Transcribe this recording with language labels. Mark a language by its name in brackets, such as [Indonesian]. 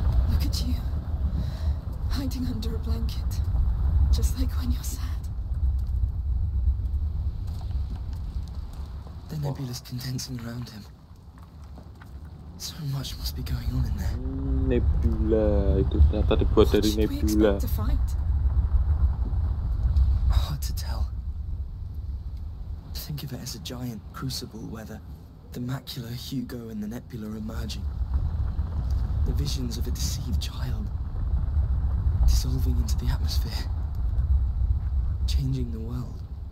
[English] Look at you, hiding under a blanket, just like when you're sad. The nebula's condensing around him. So much must be going on in there. [Indonesian] Nebula, itu ternyata dibuat dari nebula. [English] Hard to tell. Think of it as a giant crucible where the macula, Hugo, and the nebula are emerging. The visions of a deceived child dissolving into the atmosphere, changing the world.